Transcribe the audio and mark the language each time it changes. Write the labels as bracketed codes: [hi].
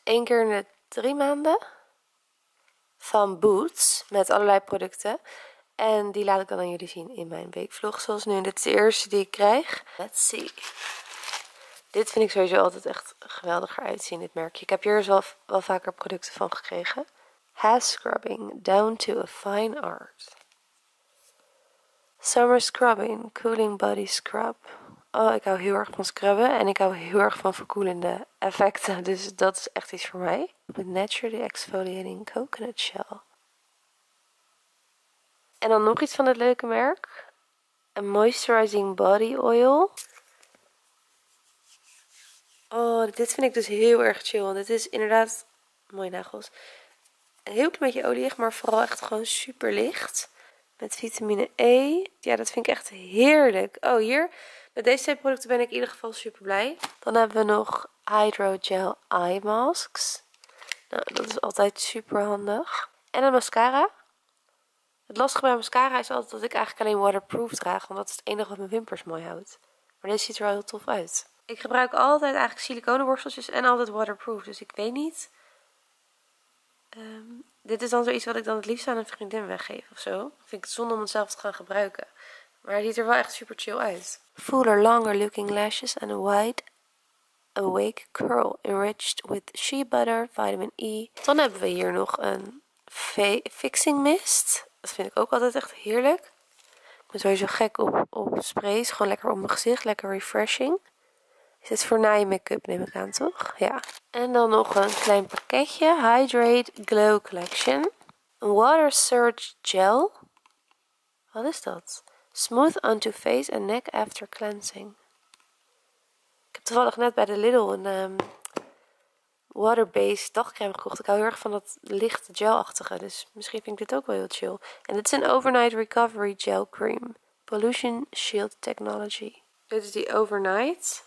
[nl] 1 keer in de 3 maanden. Van Boots. Met allerlei producten. En die laat ik dan aan jullie zien in mijn weekvlog. Zoals nu. Dit is de eerste die ik krijg. [en] Let's see. [nl] Dit vind ik sowieso altijd echt geweldiger uitzien, dit merkje. Ik heb hier zelf wel vaker producten van gekregen. [en] Hair scrubbing down to a fine art. Summer scrubbing, cooling body scrub. [nl] Oh, ik hou heel erg van scrubben en ik hou heel erg van verkoelende effecten. Dus dat is echt iets voor mij. [en] With naturally exfoliating coconut shell. [nl] En dan nog iets van het leuke merk. Een moisturizing body oil. Oh, dit vind ik dus heel erg chill. Want dit is inderdaad, mooie nagels, een heel klein beetje olieig, maar vooral echt gewoon super licht. Met vitamine E. Ja, dat vind ik echt heerlijk. Oh, hier. Met deze twee producten ben ik in ieder geval super blij. Dan hebben we nog hydrogel eye masks. Nou, dat is altijd super handig. En een mascara. Het lastige bij mascara is altijd dat ik eigenlijk alleen waterproof draag. Omdat het enige wat mijn wimpers mooi houdt. Maar deze ziet er wel heel tof uit. Ik gebruik altijd eigenlijk siliconenborsteltjes en altijd waterproof. Dus ik weet niet. Dit is dan zoiets wat ik dan het liefst aan een vriendin weggeef of zo. Vind ik het zonde om het zelf te gaan gebruiken. Maar hij ziet er wel echt super chill uit. [en] Fuller, longer looking lashes and a wide awake curl. Enriched with shea butter, vitamin E. [nl] Dan hebben we hier nog een fixing mist. Dat vind ik ook altijd echt heerlijk. Ik ben sowieso gek op sprays. Gewoon lekker op mijn gezicht. Lekker refreshing. Is dit voor na je make-up, neem ik aan, toch? Ja. En dan nog een klein pakketje. Hydrate Glow Collection. Een Water Surge Gel. Wat is dat? [en] Smooth onto face and neck after cleansing. [nl] Ik heb toevallig net bij de Lidl een water-based dagcreme gekocht. Ik hou heel erg van dat lichte gelachtige. Dus misschien vind ik dit ook wel heel chill. En dit is een Overnight Recovery Gel Cream. Pollution Shield Technology. Dit is die Overnight.